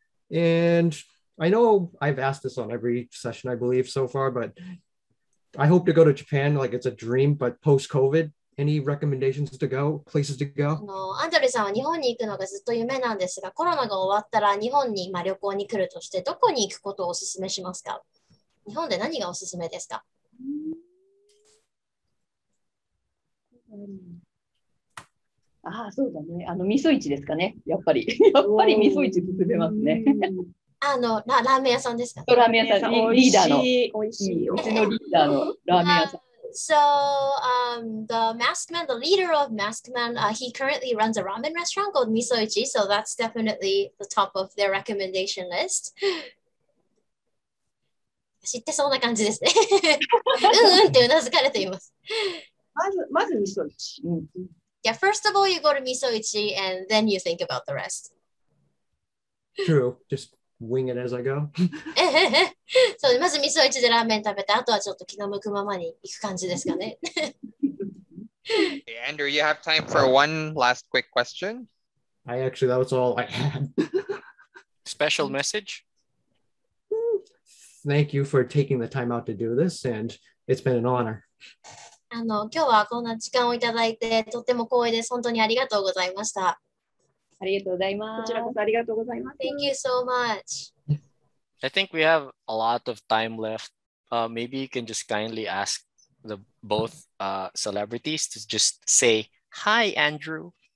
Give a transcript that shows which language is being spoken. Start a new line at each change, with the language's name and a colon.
English: And I know I've asked this on every session, I believe, so far, but I hope to go to Japan, like it's a dream, but post-COVID, any recommendations to go, places to go?
Japanese: Andrew-san は日本に行くのがずっと夢なんですが、コロナが終わったら日本に今旅行に来るとして、どこに行くことをおすすめしますか？日本で何がおすすめですか？ああ、そうだね。あの味噌市ですかね。やっぱり。やっぱり味噌市進めますね。あのラーメン屋さんですか、ね、ラーメン屋さん、リーダーの。おいしい。うちのリーダーのラーメン屋さん。
English: So, the Maskman, the leader of Maskman, he currently runs a ramen restaurant called Misoichi, so that's definitely the top of their recommendation list.
Japanese: 知ってそうな感じですね。うんうんってうなずかれています。まず Misoichi。
English: Yeah, first of all, you go to Misoichi, and then you think about the rest. True, just wing it as I go.
Japanese: そう、まず味噌一でラーメン食べて、あとはちょっと気の向くままに行く感じですかね。
English: Hey, Andrew, you have time for one last quick question? I actually, that was all I had. Special message? Thank you for taking the time out to do this, and it's been an honor.
Japanese: あの、今日はこんな時間をいただいて、とっても光栄です。本当にありがとうございました。
English: Thank you so much. I think we have a lot of time left. Maybe you can just kindly ask the both celebrities to just say hi, Andrew.